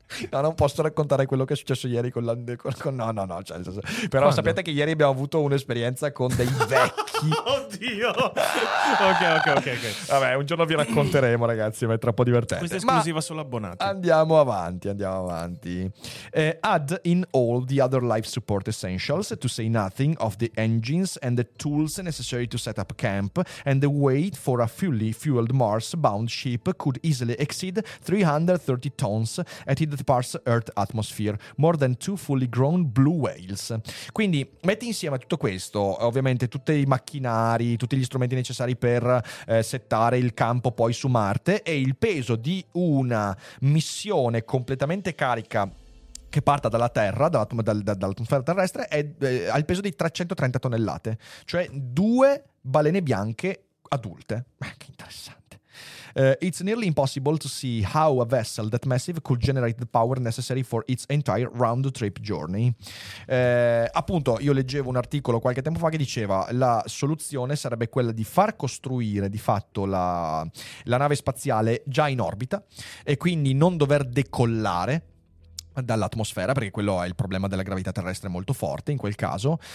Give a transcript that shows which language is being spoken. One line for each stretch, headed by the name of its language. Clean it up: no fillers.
Italian: No, non posso raccontare quello che è successo ieri con no, cioè, però quando? Sapete che ieri abbiamo avuto un'esperienza con dei vecchi. Oddio. Ok. Vabbè, un giorno vi racconteremo, ragazzi, ma è troppo divertente. Questa esclusiva solo abbonati. Andiamo avanti.
English: Add in all the other life support essentials, to say nothing of the engines and the tools necessary to set up camp, and the weight for a fully fueled Mars bound ship could easily exceed 330 tons at the parts Earth atmosphere, more than two fully grown blue whales.
Italian: Quindi metti insieme tutto questo, ovviamente tutti i macchinari, tutti gli strumenti necessari per settare il campo poi su Marte, e il peso di una missione completamente carica che parta dalla Terra, dall'atmosfera terrestre, ha il peso di 330 tonnellate, cioè due balene bianche adulte. Che interessante.
English: It's nearly impossible to see how a vessel that massive could generate the power necessary for its entire round trip journey.
Italian: Appunto, io leggevo un articolo qualche tempo fa che diceva la soluzione sarebbe quella di far costruire di fatto la nave spaziale già in orbita e quindi non dover decollare dall'atmosfera, perché quello è il problema della gravità terrestre molto forte in quel caso.